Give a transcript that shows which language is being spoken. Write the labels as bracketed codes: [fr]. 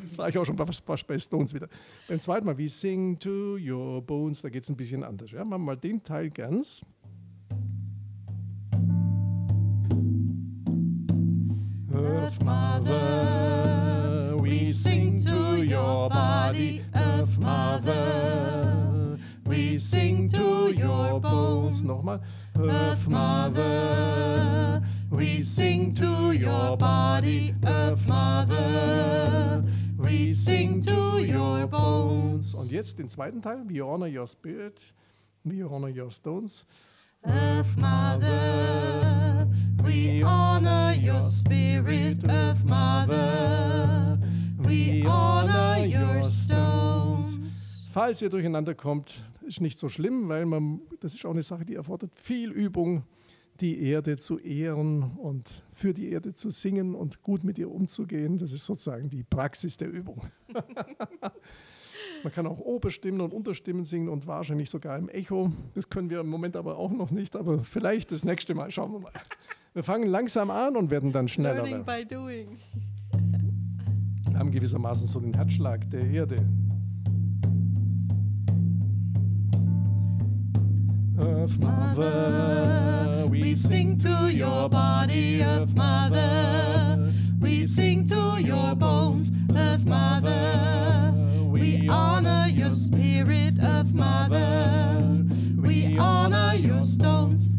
[de] Jetzt war ich auch schon bei Stones wieder. Beim zweiten Mal, [en] we sing to your bones, [de] da geht es ein bisschen anders. Ja, machen wir mal den Teil ganz. [en] Earth Mother, we sing to your body. Earth Mother, we sing to your bones. [de] Nochmal. [en] Earth Mother, we sing to your body. Earth Mother, we sing to your bones. [de] Und jetzt den zweiten Teil. [en] We honor your spirit. We honor your stones. Earth Mother, we honor your spirit. Earth Mother, we honor your stones. [de] Falls ihr durcheinander kommt, ist nicht so schlimm, weil man, das ist auch eine Sache, die erfordert viel Übung, die Erde zu ehren und für die Erde zu singen und gut mit ihr umzugehen. Das ist sozusagen die Praxis der Übung. Man kann auch Oberstimmen und Unterstimmen singen und wahrscheinlich sogar im Echo. Das können wir im Moment aber auch noch nicht, aber vielleicht das nächste Mal. Schauen wir mal. Wir fangen langsam an und werden dann schneller. [en] Learning by doing. [de] Wir haben gewissermaßen so den Herzschlag der Erde. [en] Earth Mother, we sing to your body. Earth Mother, we sing to your bones. Earth Mother, we honor your spirit. Earth Mother, we honor your stones.